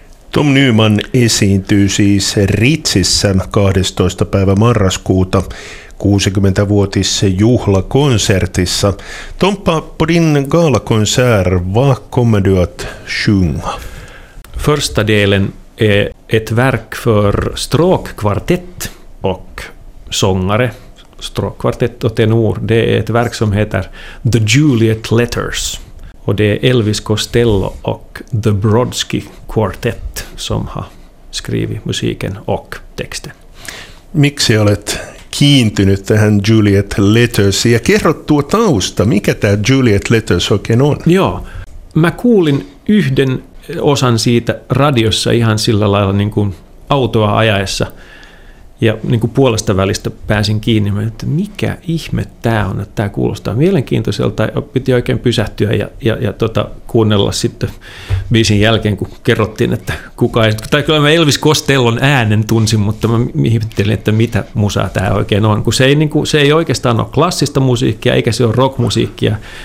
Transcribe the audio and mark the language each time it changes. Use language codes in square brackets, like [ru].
[fi] Tom Nyman esiintyy siis Ritsissä 12. päivä marraskuuta 60-vuotisjuhlakonsertissa. [sv] Tompa på din gala-konsert, vad kommer du att sjunga? Första delen är ett verk för stråkkvartett och sångare, stråkkvartett och tenor. Det är ett verk som heter The Juliet Letters. Och det är Elvis Costello och The Brodsky Quartet som har skrivit musiken och texten. [fi] Miksi olet kiintynyt tähän Juliet Letters? Ja kerro tuo tausta, mikä tämä Juliet Letters oikein on? Joo, mä kuulin yhden osan siitä radiossa ihan sillä lailla niin kuin autoa ajaessa ja niin kuin puolesta välistä pääsin kiinni, että mikä ihme tämä on, että tämä kuulostaa mielenkiintoiselta ja piti oikein pysähtyä ja kuunnella sitten biisin jälkeen, kun kerrottiin, että kuka ei, tai kyllä mä Elvis Costellon äänen tunsin, mutta mä ihmettelin, että mitä musaa tämä oikein on, kun se ei oikeastaan ole klassista musiikkia eikä se ole rockmusiikkia,